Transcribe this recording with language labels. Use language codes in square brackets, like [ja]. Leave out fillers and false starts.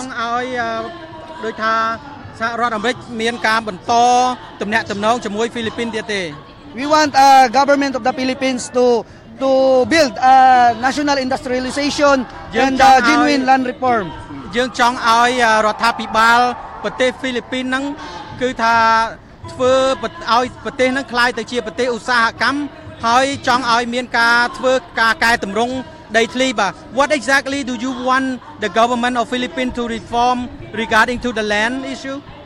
[km] ចង់ឲ្យដូចថាសហរដ្ឋអាមេរិកមានការបន្តតំណែងតំណងជាមួយហ្វីលីពីនទៀតទេ [en] We want government of the Philippines to to build a national industrialization and genuine land reform [km] យើងចង់ឲ្យរដ្ឋាភិបាលប្រទេសហ្វីលីពីនហ្នឹងគឺថាធ្វើឲ្យប្រទេសហ្នឹងក្លាយទៅជាប្រទេសឧស្សាហកម្មហើយចង់ឲ្យមានការធ្វើការកែតម្រង់ដីធ្លីបាទ [en] What exactly do you want the government of Philippines to reform regarding to the land issue?